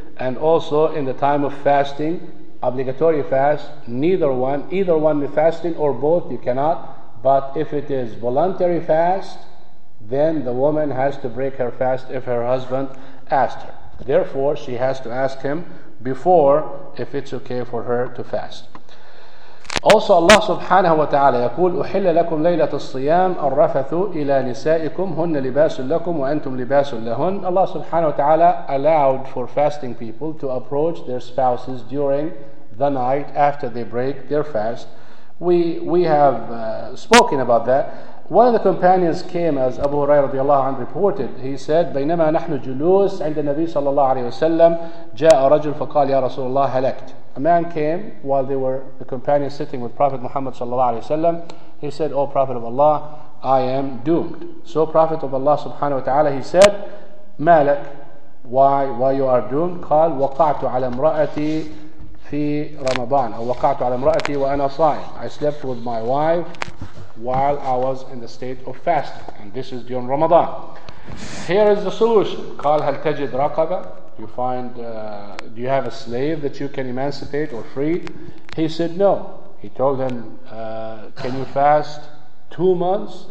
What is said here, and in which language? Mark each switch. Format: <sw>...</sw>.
<en>And also in the time of fasting, obligatory fast, neither one, either one the fasting or both, you cannot. But if it is voluntary fast, then the woman has to break her fast if her husband asked her. Therefore, she has to ask him before if it's okay for her to fast. Also,</en> <ar>Allah subhanahu wa ta'ala يقول أحل لكم ليلة الصيام الرفث إلى نسائكم هن لباس لكم وأنتم لباس لهن.</ar> <en>Allah subhanahu wa ta'ala allowed for fasting people to approach their spouses during the night after they break their fast. We have spoken about that. One of the companions came, as Abu Hurairah radiallahu anhu reported. He said,</en> <ar>بينما نحن جلوس عند النبي صلى الله عليه وسلم جاء رجل فقال يا رسول الله هلكت.</ar> <en>A man came while they were, the companions, sitting with Prophet Muhammad</en> <ar>صلى الله عليه وسلم.</ar> <en>He said, O Prophet of Allah, I am doomed. So Prophet of Allah subhanahu wa ta'ala, he said,</en> <ar>مالك,</ar> <en>why you are doomed?</en> <ar>قال وقعت على امرأتي في رمضان أو وقعت على امرأتي وأنا صائم.</ar> <en>I slept with my wife while I was in the state of fasting, and this is during Ramadan. Here is the solution.</en> <ar>قال هل تجد رقبة?</ar> <en>You find, do you have a slave that you can emancipate or free? He said no. He told him, can you fast 2 months?</en>